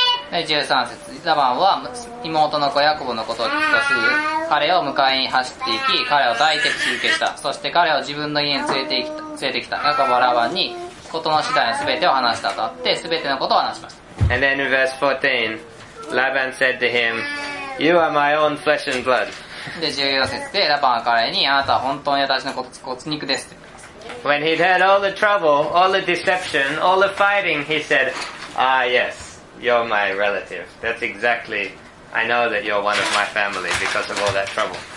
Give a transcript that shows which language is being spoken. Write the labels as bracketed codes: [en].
[ja] 13節、ラバンは妹の子ヤコブのことを聞くとすぐ、彼を迎えに走っていき、彼を抱いて引き受けした。そして彼を自分の家に連れてきた。ヤコブはラバンに、事の次第の全てを話したとあって、全てのことを話しました。 [en] And then in verse 14, Laban said to him, You are my own flesh and blood. [ja] で、14節で、ラバンは彼に、あなたは本当に私の骨肉です。 [en] When he'd heard all the trouble, all the deception, all the fighting, he said, Ah yes, you're my relative. That's exactly, I know that you're one of my family because of all that trouble.